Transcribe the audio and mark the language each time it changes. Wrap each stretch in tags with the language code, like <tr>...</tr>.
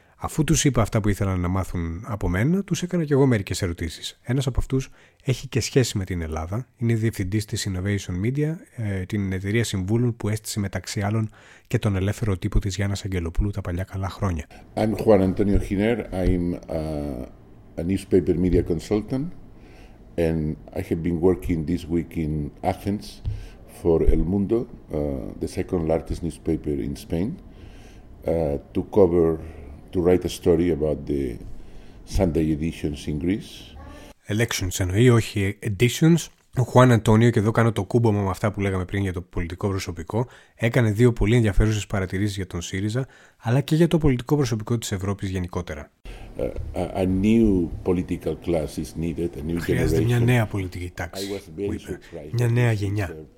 <el>Αφού τους είπα αυτά που ήθελαν να μάθουν από μένα, τους έκανα και εγώ μερικές ερωτήσεις. Ένας από αυτούς έχει και σχέση με την Ελλάδα. Είναι διευθυντής της Innovation Media, την εταιρεία συμβούλων που έστησε μεταξύ άλλων και τον ελεύθερο τύπο της Γιάννας Αγγελοπούλου τα παλιά καλά χρόνια.</el> <en>I'm Juan Antonio Giner. I'm a newspaper media consultant and I have been working this week in Athens for El Mundo, the second largest newspaper in Spain, to cover. To write a story about the Sunday editions in Greece.</en> <el>Elections εννοεί, όχι editions. Ο Juan Antonio, και εδώ κάνω το κούμπομα με αυτά που λέγαμε πριν για το πολιτικό προσωπικό, έκανε 2 πολύ ενδιαφέρουσες παρατηρήσεις για τον ΣΥΡΙΖΑ, αλλά και για το πολιτικό προσωπικό της Ευρώπης γενικότερα.</el> <en>A new political class is needed, a new generation.</en> <el>Χρειάζεται μια νέα πολιτική τάξη, μου είπε. Μια νέα γενιά.</el>